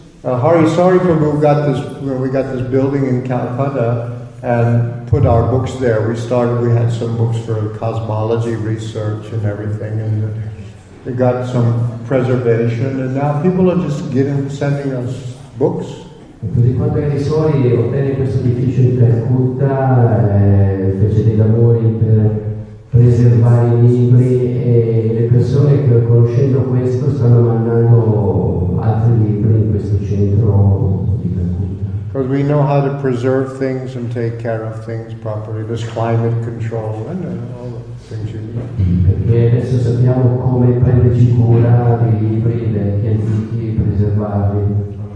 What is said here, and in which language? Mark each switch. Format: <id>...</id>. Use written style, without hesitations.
<en>Hari Sarupam, who got this, when we got this building in Calcutta and put our books there, we started, we had some books for cosmology research and everything, and it got some preservation, and now people are just getting, sending us books.</en> <it>Così quando i suoi ottenne questo edificio in Calcutta, fece dei lavori per preservare i libri e le persone che conoscendo questo stanno mandando altri libri in questo centro di Calcutta.</it> <en>We know how to preserve things and take care of things properly, this climate control and all the things you need.</en> <it>Perché adesso sappiamo come prenderci cura dei libri, degli antichi, preservarli.</it>